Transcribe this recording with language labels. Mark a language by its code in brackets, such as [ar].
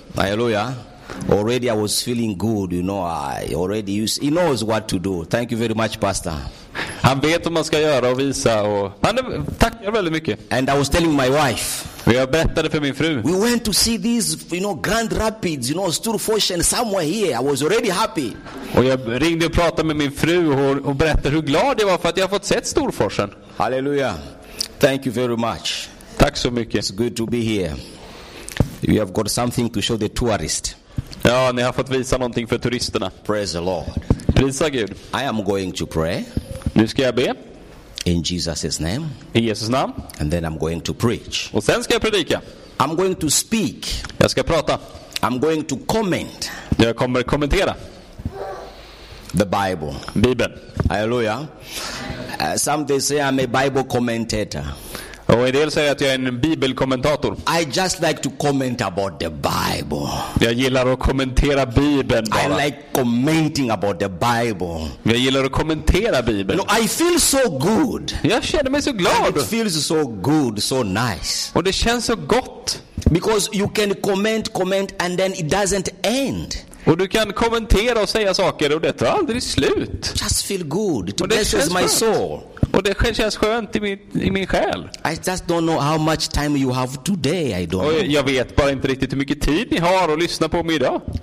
[en] Halleluja. Already I was feeling good, you know. I already he knows what to do. Thank you very much, Pastor. [sv] Han vet vad man ska göra och visa. Och han tackar väldigt mycket. [en] And I was telling my wife. [sv] Vi har berättat för min fru. [en] We went to see these, you know, Grand Rapids, you know, Storforsen somewhere here. I was already happy. [sv] Och jag ringde och pratade med min fru och berättade hur glad jag var för att jag har fått sett Storforsen. [en] Hallelujah. Thank you very much. [sv] Tack så mycket. [en] It's good to be here. We have got something to show the tourists. [sv] Ja, ni har fått visa någonting för turisterna. [en] Praise the Lord. [sv] Prisa Gud. [en] I am going to pray. [sv] Nu ska jag be. [en] In Jesus' name. [sv] I Jesus namn. [en] And then I'm going to preach. [sv] Och sen ska jag predika. [en] I'm going to speak. [sv] Jag ska prata. [en] I'm going to comment. [sv] Jag kommer kommentera. [en] The Bible. [sv] Bibeln. [en] Hallelujah. Some they say I'm a Bible commentator. [sv] Och en del säger att jag är en bibelkommentator. [en] I just like to comment about the Bible. [sv] Jag gillar att kommentera Bibeln bara. [en] I like commenting about the Bible. [sv] Jag gillar att kommentera Bibeln. [en] You know, I feel so good. [sv] Jag känner mig så glad. [en] And it feels so good, so nice. [sv] Och det känns så gott. [en] Because you can comment and then it doesn't end. [sv] Och du kan kommentera och säga saker och det tar aldrig slut. [en] Just feel good. It blesses my soul. [sv] Och det känns skönt i min själ. [en] I just don't know how much time you have today. I don't know. [sv] Jag vet bara inte riktigt hur mycket tid ni har att lyssna på mig idag.